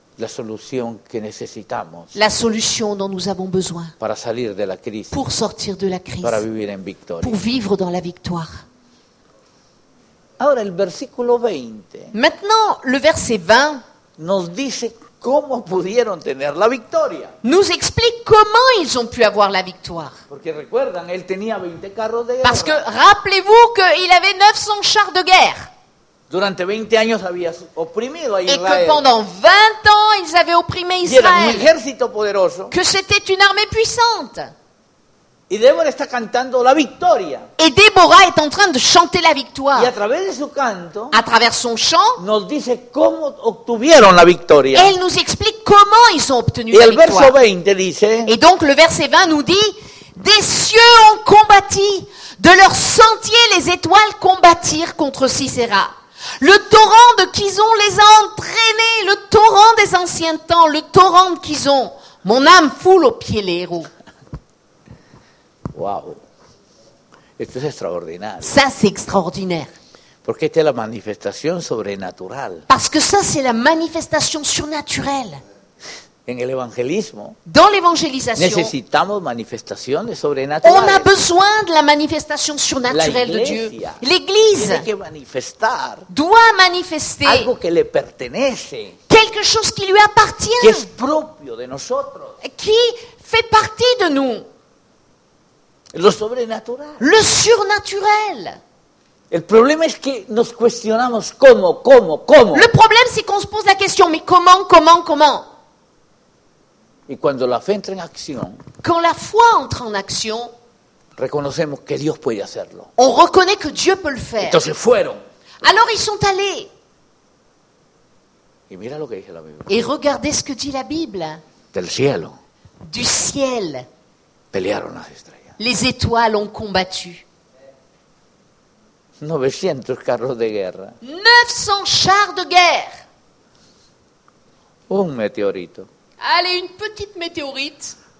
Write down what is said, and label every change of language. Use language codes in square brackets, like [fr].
[es] la solución que necesitamos [fr] la solution dont nous avons besoin [es] para salir de la crisis, [fr] pour sortir de la crise, [es] para vivir en victoria. [fr] Pour vivre dans la victoire. [es] Ahora, el versículo 20 [fr] Maintenant, le verset 20 [es] nos dice cómo pudieron tener la victoria. [fr] Nous explique comment ils ont pu avoir la victoire. [es] Porque recuerdan, él tenía 20 carros de guerra. [fr] Parce que rappelez-vous qu'il avait 900 chars de guerre. [es] Durante 20 años había oprimido a Israel. [fr] Et que pendant 20 ans, ils avaient opprimé Israël. [es] Y era un ejército poderoso. [fr] Que c'était une armée puissante. [es] Y Débora está cantando la victoria. [fr] Et Débora est en train de chanter la victoire. [es] Y a través de su canto, [fr] à travers son chant, [es] nos dice cómo obtuvieron la victoria. [fr] Elle nous explique comment ils ont obtenu Et la victoire. Et le verset 20 [es] dice. [fr] Et donc le verset 20 nous dit Des cieux ont combattu, de leur sentier les étoiles combattirent contre Sisera. Le torrent de Kizon les a entraînés, le torrent des anciens temps, le torrent de Kizon. Mon âme foule aux pieds les héros. [es] Wow. Esto es [fr] extraordinaire. Ça, c'est extraordinaire. [es] Porque esta es la manifestación sobrenatural. [fr] Parce que ça, c'est la manifestation surnaturelle. [es] En el evangelismo, [fr] Dans l'évangélisation, [es] necesitamos manifestaciones sobrenaturales. [fr] On a besoin de la manifestation surnaturelle de Dieu. L'Église [es] tiene que manifestar [fr] doit manifester [es] algo que le pertenece, [fr] quelque chose qui lui appartient, [es] que es propio de nosotros, [fr] qui fait partie de nous. [es] Lo sobrenatural. [fr] Le surnaturel. [es] El problema es que nos cuestionamos cómo, cómo, cómo. [fr] Le problème, c'est qu'on se pose la question, mais comment, comment, comment? [es] Y cuando la fe entra en acción, [fr] quand la foi entre en action, [es] reconocemos que Dios puede hacerlo. [fr] On reconnaît que Dieu peut le faire. [es] Entonces fueron. [fr] Alors ils sont allés. [es] Y mira lo que dice la Biblia. [fr] Et regardez ce que dit la Bible. [es] Del cielo. [fr] Du ciel. [es] Pelearon las estrellas. [fr] Les étoiles ont combattu. [es] 900 carros de guerra. [fr] 900 chars de guerre. [es] Un meteorito. [fr] Allez, une petite météorite.